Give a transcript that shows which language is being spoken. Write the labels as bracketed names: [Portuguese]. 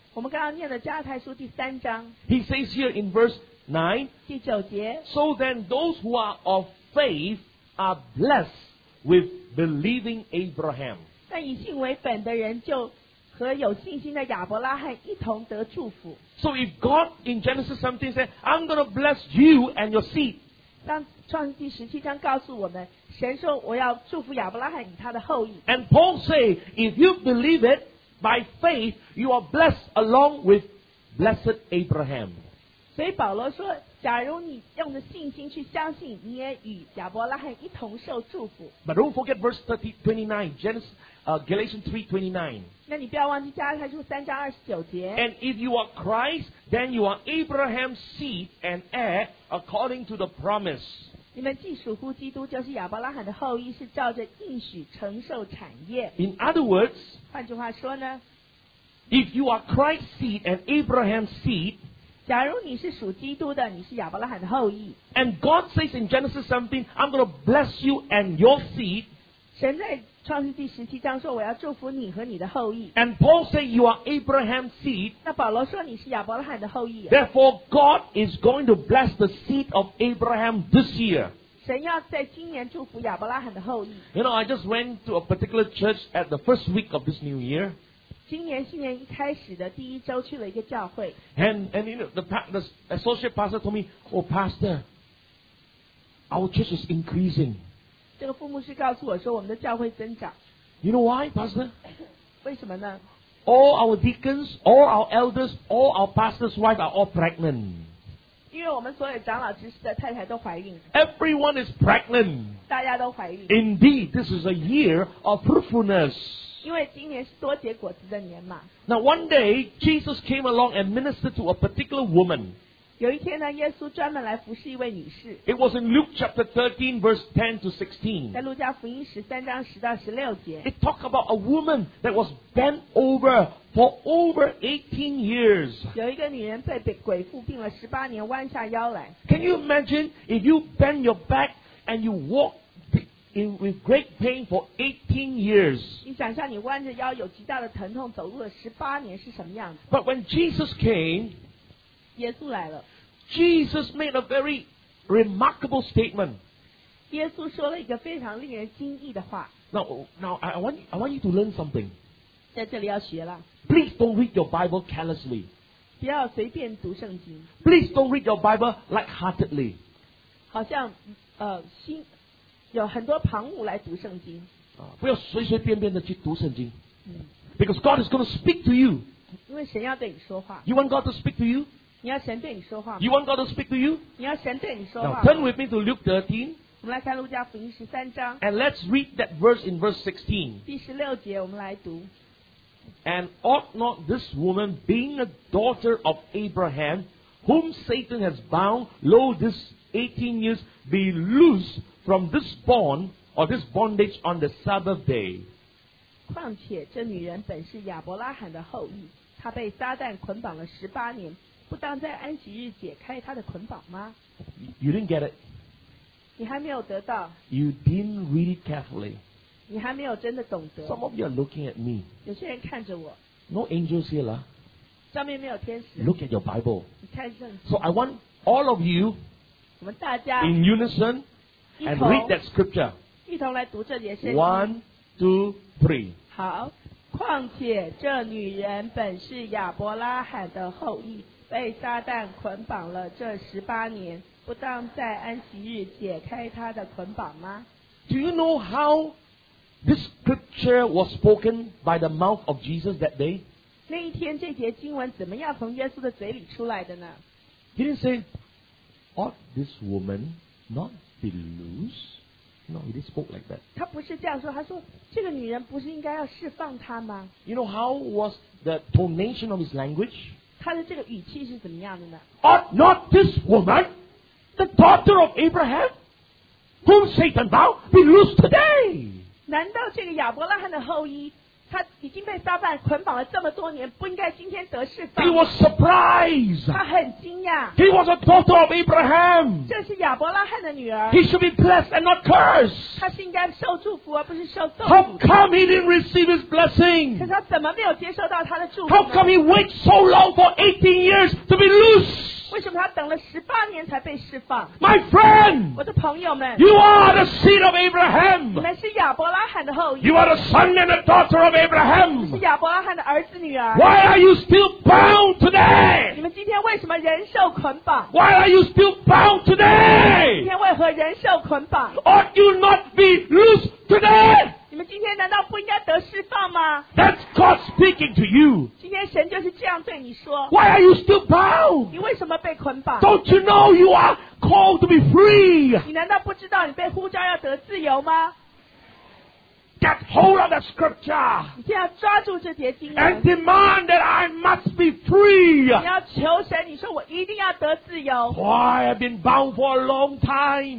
[Chinese] 我们刚刚念的加拉太书第三章。 [English] He says here in verse 9, [Chinese] 第九节。 [English] So then those who are of faith are blessed with believing Abraham. [Chinese] 但以信为本的人就和有信心的亚伯拉罕一同得祝福。 [English] So if God in Genesis 17 said, I'm going to bless you and your seed. [Chinese] 当创世纪十七章告诉我们，神说我要祝福亚伯拉罕与他的后裔。 [English] And Paul say, if you believe it by faith, you are blessed along with blessed Abraham. [Chinese] 所以保罗说，假如你用着信心去相信，你也与亚伯拉罕一同受祝福。 [English] But don't forget verse 29, Genesis. Galatians 3:29. [Chinese] 那你不要忘记加拉太书三章二十九节。 [English] And if you are Christ, then you are Abraham's seed and heir according to the promise. [Chinese] 你们既属乎基督，就是亚伯拉罕的后裔，是照着应许承受产业。 [English] In other words, [Chinese] 换句话说呢 [English] ，If you are Christ's seed and Abraham's seed, [Chinese] 假如你是属基督的，你是亚伯拉罕的后裔。 [English] And God says in Genesis 17, I'm going to bless you and your seed. [Chinese] 神在创世纪十七章说我要祝福你和你的后裔。 [English] And Paul said you are Abraham's seed. [Chinese] 那保罗说你是亚伯拉罕的后裔。 [English] Therefore God is going to bless the seed of Abraham this year. [Chinese] 神要在今年祝福亚伯拉罕的后裔。 [English] You know, I just went to a particular church at the first week of this new year. [Chinese] 新年一开始的第一周去了一个教会。 [English] And you know, the associate pastor told me, "Oh, pastor, our church is increasing." [Chinese] 这个副牧师告诉我说，我们的教会增长。 [English] You know why, pastor? [Chinese] 为什么呢？ [English] All our deacons, all our elders, all our pastors' wives are all pregnant. [Chinese] 因为我们所有长老执事的太太都怀孕。 [English] Everyone is pregnant. [Chinese] 大家都怀孕。 [English] Indeed, this is a year of fruitfulness. [Chinese] 因为今年是多结果子的年嘛。 [English] Now one day, Jesus came along and ministered to a particular woman. [Chinese] 有一天呢，耶稣专门来服侍一位女士。 [English] It was in Luke chapter 13, verse 10 to 16. [Chinese] 在路加福音13章10到16节。 [English] It talked about a woman that was bent over for over 18 years. [Chinese] 有一个女人被鬼附病了18年，弯下腰来。 [English] Can you imagine if you bend your back and you walk? With great pain for 18 years. [Chinese] 你想象你弯着腰有极大的疼痛走路了十八年是什么样子？ [English] But when Jesus came, [Chinese] 耶稣来了。 [English] Jesus made a very remarkable statement. [Chinese] 耶稣说了一个非常令人惊异的话。 [English] Now I want you to learn something. [Chinese] 在这里要学了。 [English] Please don't read your Bible carelessly. [Chinese] 不要随便读圣经。 [English] Please don't read your Bible lightheartedly. [Chinese] 好像心。有很多旁骛来读圣经，不要随随便便的去读圣经。 [English] Because God is going to speak to you. [Chinese] 因为神要对你说话。 [English] You want God to speak to you? [Chinese] 你要神对你说话。 [English] You want God to speak to you? [Chinese] 你要神对你说话。 [English] Now turn with me to Luke 13. [Chinese] 我们来看路加福音十三章。 [English] And let's read that verse in verse 16. [Chinese] 第十六节，我们来读。 [English] And ought not this woman, being a daughter of Abraham, whom Satan has bound, lo, this 18 years, be loosed? From this bond or this bondage on the Sabbath day. [Chinese] 况且这女人本是亚伯拉罕的后裔，她被撒旦捆绑了十八年，不当在安息日解开她的捆绑吗？ [English] You didn't get it. [Chinese] 你还没有得到。 [English] You didn't read it carefully. [Chinese] 你还没有真的懂得。 [English] Some of you are looking at me. [Chinese] 有些人看着我。 [English] No angels here, lah. [Chinese] 上面没有天使。 [English] Look at your Bible. [Chinese] 你看圣经。 [English] So I want all of you. [Chinese] 我们大家。 [English] In unison. And read that scripture. [Chinese] 一同来读这节圣经。 [English] One, two, three. [Chinese] 好，况且这女人本是亚伯拉罕的后裔，被撒旦捆绑了这十八年，不当在安息日解开她的捆绑吗？ [English] Do you know how this scripture was spoken by the mouth of Jesus that day? [Chinese] 那一天这节经文怎么样从耶稣的嘴里出来的呢？ [English] He didn't say, "Ought this woman not?" Be loose? No, he didn't spoke like that. [Chinese] 他不是这样说，他说这个女人不是应该要释放她吗？ [English] You know how was the tonation of his language? [Chinese] 他的这个语气是怎么样的呢？ [English] Ought not this woman, the daughter of Abraham, whom Satan bound, be loose today? [Chinese] 难道这个亚伯拉罕的后裔，他已经被撒旦捆绑了这么多年，不应该今天得释放？ [English] He was surprised. [Chinese] 他很惊讶。 [English] He was a daughter of Abraham. [Chinese] 这是亚伯拉罕的女儿。 [English] He should be blessed and not cursed. [Chinese] 他是应该受祝福而不是受咒诅。 [English] How come he didn't receive his blessing? [Chinese] 可是他怎么没有接受到他的祝福呢？ [English] How come he waited so long for 18 years to be loose? [Chinese] 为什么他等了十八年才被释放？ [English] My friend, [Chinese] 我的朋友们， [English] you are the seed of Abraham. [Chinese] 你们是亚伯拉罕的后裔。 [English] You are the son and the daughter of Abraham. [Chinese] 你是亚伯拉罕的儿子女儿。 [English] Why are you still bound today? [Chinese] 你们今天为什么仍受捆绑？ [English] Why are you still bound today? [Chinese] 今天为何仍受捆绑？ [English] Ought you not be loose today? [Chinese] 你们今天难道不应该得释放吗？ [English] That's God speaking to you. [Chinese] 今天神就是这样对你说。 [English] Why are you still bound? [Chinese] 你为什么被捆绑？ [English] Don't you know you are called to be free? [Chinese] 你难道不知道你被呼召要得自由吗？ [English] Get hold of the scripture. [Chinese] 你现在抓住这节经文。 [English] And demand that I must be free. [Chinese] 你要求神，你说我一定要得自由。 [English] Why I've been bound for a long time.